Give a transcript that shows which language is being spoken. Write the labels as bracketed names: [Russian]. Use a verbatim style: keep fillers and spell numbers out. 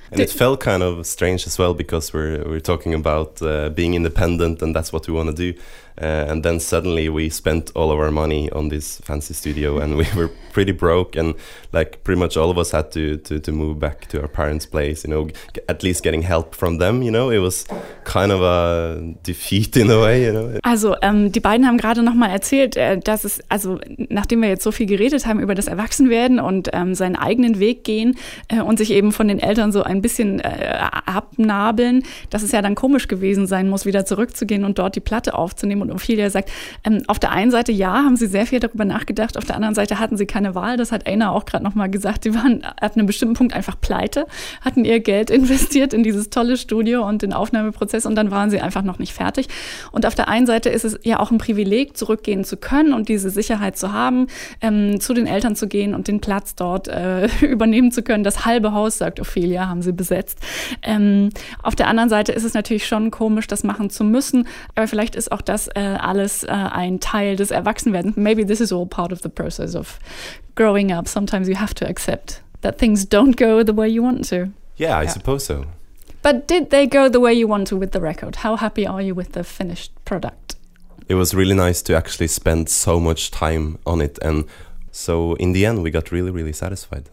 [English] And it felt kind of strange as well, because we're we're talking about uh, being independent, and that's what we want to do. Uh, and then suddenly we spent all of our money on this fancy studio, and we were pretty broke, and like pretty much all of us had to, to, to move back to our parents' place, you know, g- at least getting help from them, you know, it was kind of a defeat in a way, you know. [German] Also ähm, die beiden haben gerade nochmal erzählt, äh, dass es, also nachdem wir jetzt so viel geredet haben über das Erwachsenwerden und ähm, seinen eigenen Weg gehen äh, und sich eben von den Eltern so ein bisschen äh, abnabeln, dass es ja dann komisch gewesen sein muss, wieder zurückzugehen und dort die Platte aufzunehmen. Und Ophelia sagt, ähm, auf der einen Seite ja, haben sie sehr viel darüber nachgedacht, auf der anderen Seite hatten sie keine Wahl, das hat Einar auch gerade nochmal gesagt, sie waren ab einem bestimmten Punkt einfach pleite, hatten ihr Geld investiert in dieses tolle Studio und den Aufnahmeprozess, und dann waren sie einfach noch nicht fertig. Und auf der einen Seite ist es ja auch ein Privileg, zurückgehen zu können und diese Sicherheit zu haben, ähm, zu den Eltern zu gehen und den Platz dort äh, übernehmen zu können. Das halbe Haus, sagt Ophelia, haben sie besetzt. Ähm, auf der anderen Seite ist es natürlich schon komisch, das machen zu müssen, aber vielleicht ist auch das Uh, alles uh, ein Teil des Erwachsenwerdens. [English] Maybe this is all part of the process of growing up. Sometimes you have to accept that things don't go the way you want to. Yeah, I yeah. suppose so. But did they go the way you want to with the record? How happy are you with the finished product? It was really nice to actually spend so much time on it, and so in the end we got really, really satisfied.